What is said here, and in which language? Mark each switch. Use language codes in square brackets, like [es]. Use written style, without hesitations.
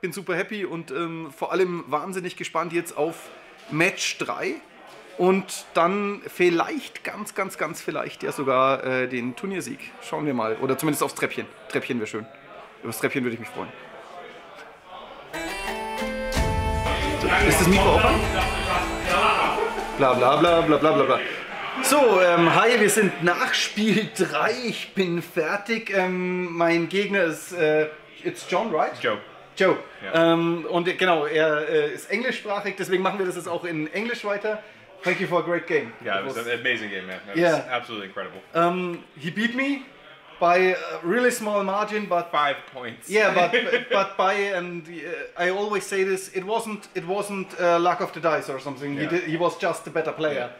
[de] Bin super happy und vor allem wahnsinnig gespannt jetzt auf Match 3 und dann vielleicht, ganz, ganz, ganz vielleicht ja sogar den Turniersieg. Schauen wir mal. Oder zumindest aufs Treppchen. Treppchen wäre schön. Über das Treppchen würde ich mich freuen. Ist das Mikro offen? Bla bla bla bla bla bla bla. So, hi, wir sind nach Spiel 3. Ich bin fertig. Mein Gegner ist, [en] it's John, right? Joe. [de] Joe. Ja. Und genau, er ist englischsprachig, deswegen machen wir das jetzt auch in Englisch weiter. [en] Thank you for a great game. Yeah, it was an amazing game, man. It yeah, was absolutely incredible. He beat me by a really small margin, but 5 points. Yeah, but by, and I always say this, it wasn't luck of the dice or something. Yeah. He was just a better player.